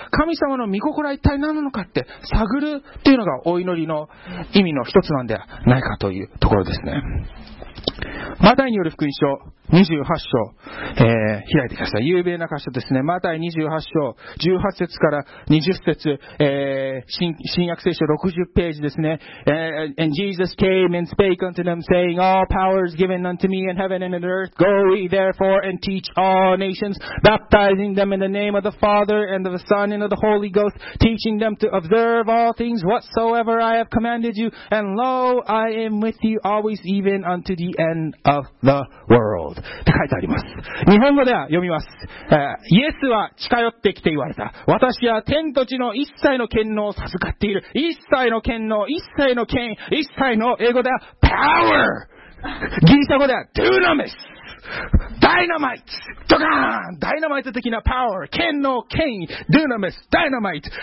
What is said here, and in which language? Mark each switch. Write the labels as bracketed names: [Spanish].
[Japanese] 神様の御心は一体何なのかって探るっていうのがお祈りの意味の一つなんではないかというところですね。マタイによる福音書28章、開いてください。有名な箇所ですね。マタイ28章、18節から20節、新約聖書60ページですね。 [English] And Jesus came and spake unto them, saying, All power is given unto me in heaven and in earth. Go ye therefore and teach all nations, baptizing them in the name of the Father and of the Son and of the Holy Ghost, teaching them to observe all things whatsoever I have commanded you. And lo, I am with you always, even unto the end of the world. [Japanese] って書いてあります。日本語では読みます。イエスは近寄ってきて言われた。私は天と地の一切の権能を授かっている。一切の権能、一切の権、一切の、英語では power、 ギリシャ語では dunamis、 ダイナマイト、ドカーン、ダイナマイト的な power、 権能、権威、 dunamis、 ダイナマイト。